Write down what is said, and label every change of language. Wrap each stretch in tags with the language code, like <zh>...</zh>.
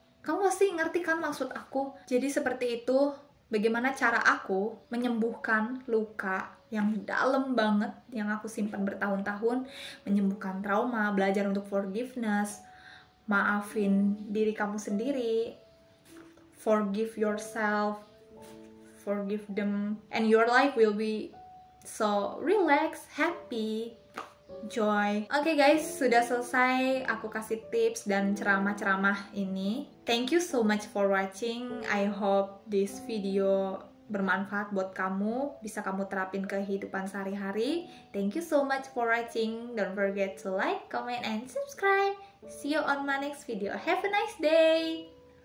<id>Kamu pasti ngerti kan maksud aku? Jadi seperti itu bagaimana cara aku menyembuhkan luka yang dalam banget yang aku simpan bertahun-tahun, menyembuhkan trauma, belajar untuk forgiveness, maafin diri kamu sendiri.</id> <en>Forgive yourself, forgive them, and your life will be so relaxed, happy, joy.</en> <id>Okay guys, sudah selesai aku kasih tips dan ceramah-ceramah ini.</id> <en>Thank you so much for watching. I hope this video</en> <id>bermanfaat buat kamu, bisa kamu terapin kehidupan sehari-hari.</id> <en>Thank you so much for watching. Don't forget to like, comment, and subscribe. See you on my next video. Have a nice day!</en>